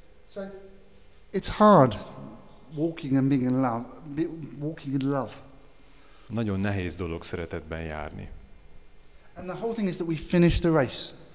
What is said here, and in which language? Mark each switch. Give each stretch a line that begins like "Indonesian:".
English: So it's hard walking and being in love, walking in love.
Hungarian: Nagyon nehéz dolog szeretetben járni.
English: And the whole thing is that we finish the race.